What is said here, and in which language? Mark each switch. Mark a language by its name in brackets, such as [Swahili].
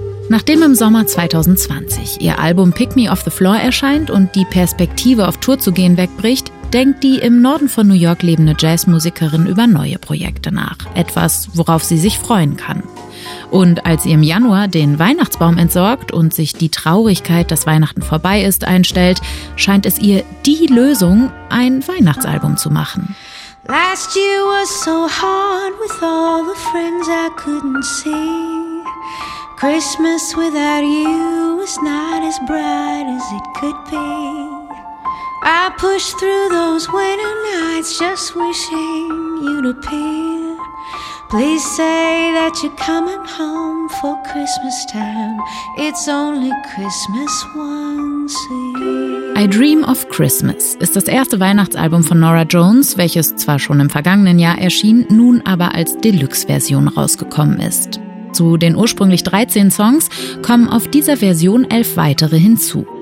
[German] Nachdem im Sommer 2020 ihr Album Pick Me Off the Floor erscheint und die Perspektive auf Tour zu gehen wegbricht, denkt die im Norden von New York lebende Jazzmusikerin über neue Projekte nach. Etwas, worauf sie sich freuen kann. Und als sie im Januar den Weihnachtsbaum entsorgt und sich die Traurigkeit, dass Weihnachten vorbei ist, einstellt, scheint es ihr die Lösung, ein Weihnachtsalbum zu machen. [English] Last year was so hard with all the friends I couldn't see. Christmas without you was not as bright as it could be. I pushed through those winter nights just wishing you'd appear. Please say that you're coming home for Christmas time. It's only Christmas once a year. [German] I Dream of Christmas ist das erste Weihnachtsalbum von Nora Jones, welches zwar schon im vergangenen Jahr erschien, nun aber als Deluxe-Version rausgekommen ist. Zu den ursprünglich 13 Songs kommen auf dieser Version 11 weitere hinzu.